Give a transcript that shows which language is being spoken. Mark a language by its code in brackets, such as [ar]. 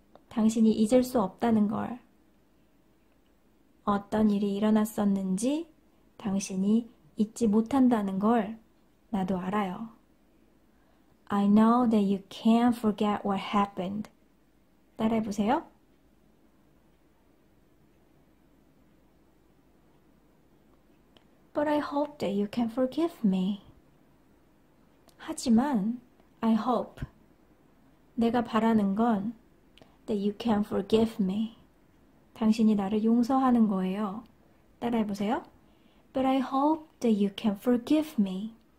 [ko] 당신이 잊을 수 없다는 걸. 어떤 일이 일어났었는지 당신이 잊지 못한다는 걸 나도 알아요. [en] I know that you can't forget what happened. [ko] 따라해 보세요. [en] But I hope that you can forgive me. [ko] 하지만, [en] I hope. [ko] 내가 바라는 건 [en] that you can forgive me. [ko] 당신이 나를 용서하는 거예요. 따라해 보세요. [en] But I hope that you can forgive me.